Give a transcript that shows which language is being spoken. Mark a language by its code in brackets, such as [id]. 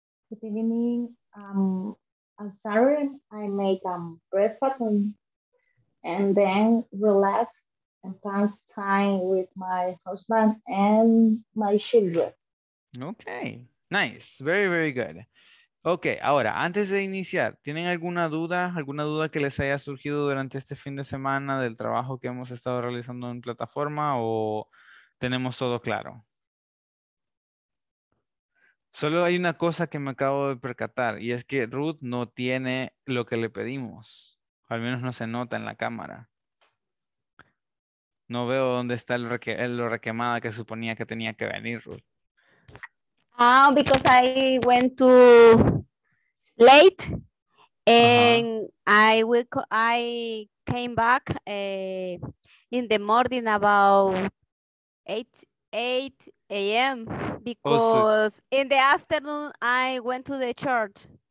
[en] Good evening. On Saturday, I make breakfast and then relax and pass time with my husband and my children. Okay, nice. Very, very good. [es] Okay, ahora, antes de iniciar, ¿tienen alguna duda que les haya surgido durante este fin de semana del trabajo que hemos estado realizando en plataforma o tenemos todo claro? Solo hay una cosa que me acabo de percatar y es que Ruth no tiene lo que le pedimos. Al menos no se nota en la cámara. No veo dónde está lo requemada que suponía que tenía que venir, Ruth. [en] Ah, because I went to late and uh-huh. I came back in the morning about 8 a.m. because in the afternoon I went to the church.